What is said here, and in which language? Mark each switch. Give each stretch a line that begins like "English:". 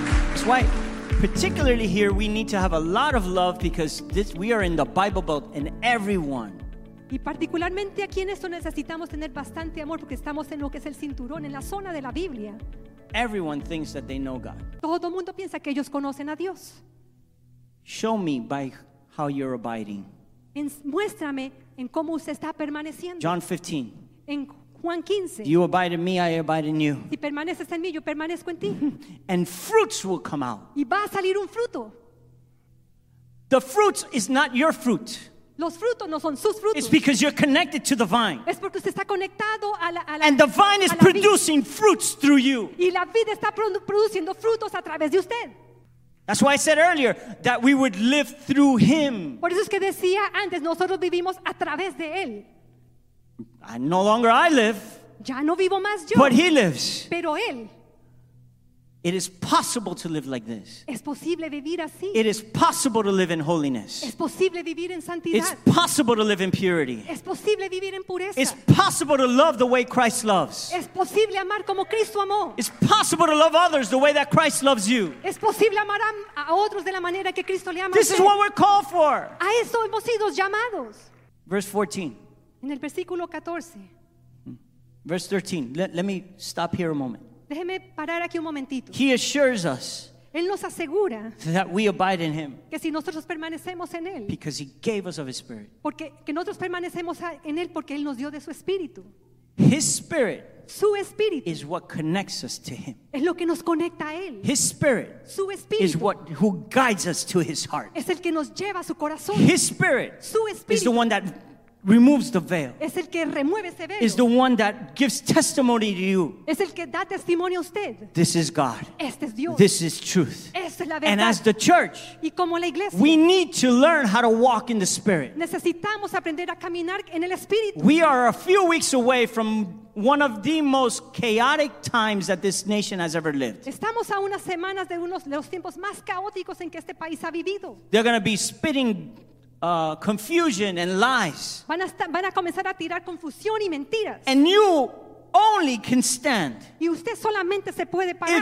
English: That's why, particularly here, we need to have a lot of love because this, we are in the Bible Belt and everyone.
Spanish: Y particularmente aquí en esto necesitamos tener bastante amor porque estamos en lo que es el cinturón, en la zona de la Biblia.
English: Everyone thinks that they know God.
Spanish: Todo mundo piensa que ellos conocen a Dios.
English: Show me by how you're abiding.
Spanish: Muéstrame en cómo usted está permaneciendo.
English: John 15.
Spanish: En Juan 15.
English: You abide in me, I abide in you.
Spanish: Si permaneces en mí, yo permanezco en ti.
English: And fruits will come out.
Spanish: Y va a salir un fruto.
English: The fruit is not your fruit.
Spanish: Los frutos no son sus frutos.
English: It's because you're connected to the vine.
Spanish: Es porque usted está conectado a la, a la,
English: and the vine is producing fruits through you.
Spanish: Y la vida está produciendo frutos a través de usted.
English: That's why I said earlier that we would live through him.
Spanish: Por eso es que decía antes, nosotros vivimos a través de él.
English: And no longer I live.
Spanish: Ya no vivo más yo.
English: But he lives.
Spanish: Pero él.
English: It is possible to live like this.
Spanish: Es posible vivir así.
English: It is possible to live in holiness.
Spanish: Es posible vivir en santidad.
English: It's possible to live in purity.
Spanish: Es posible vivir en pureza.
English: It's possible to love the way Christ loves.
Spanish: Es posible amar como Cristo amó.
English: It's possible to love others the way that Christ loves you.
Spanish: Es posible amar a otros de la manera que Cristo le ama.
English: This is what we're called for.
Spanish: A eso hemos sido llamados.
English: Verse 14.
Spanish: En el versículo 14.
English: Verse 13. Let me stop here a moment.
Spanish: Déjeme parar aquí un momentito.
English: He assures us.
Spanish: Él nos asegura.
English: That we abide in him.
Spanish: Que si nosotros permanecemos en él.
English: Because he gave us of his spirit.
Spanish: Porque que nosotros permanecemos en él porque él nos dio de su espíritu.
English: His spirit.
Spanish: Su espíritu.
English: Is what connects us to him.
Spanish: Es lo que nos conecta a él.
English: His spirit.
Spanish: Su espíritu.
English: Is what who guides us to his heart.
Spanish: Es el que nos lleva a su corazón.
English: His spirit.
Spanish: Su espíritu.
English: Is the one that removes the veil.
Spanish: Es el que remueve ese velo.
English: Is the one that gives testimony to you.
Spanish: Es el que da testimonio a usted.
English: This is God.
Spanish: Este es Dios.
English: This is truth.
Spanish: Esta es la verdad.
English: And as the church,
Spanish: y como la iglesia,
English: we need to learn how to walk in the Spirit.
Spanish: Necesitamos aprender a caminar en el Espíritu.
English: We are a few weeks away from one of the most chaotic times that this nation has ever lived.
Spanish: Estamos a unas semanas de unos de los tiempos más caóticos en que este país ha vivido.
English: They're going to be spitting confusion and lies.
Spanish: Van a comenzar a tirar confusión y mentiras.
English: And you only can stand.
Spanish: Y usted solamente se puede parar.